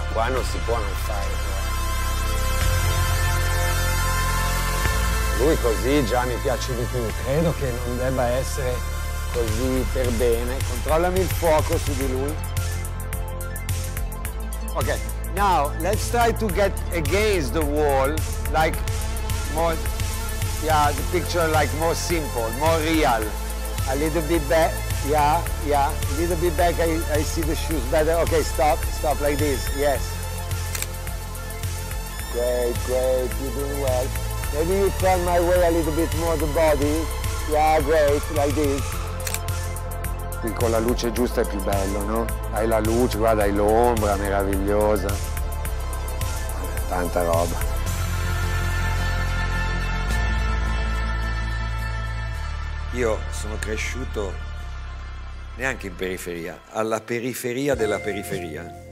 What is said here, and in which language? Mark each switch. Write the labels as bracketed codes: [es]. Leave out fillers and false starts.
[it] Non si può non fare. Lui così già mi piace di più. Credo che non debba essere così per bene. Controllami il fuoco su di lui. [en] Ok, now let's try to get against the wall, like more, yeah, the picture like more simple, more real. A little bit back. Yeah, yeah. A little bit back, I see the shoes better. Ok, stop, stop like this, yes. Great, great, you're doing well. Maybe you turn my way a little bit more the body. Yeah, great, like this. [it] Qui con la luce giusta è più bello, no? Hai la luce, guarda, hai l'ombra meravigliosa. Tanta roba. Io sono cresciuto neanche in periferia, alla periferia della periferia.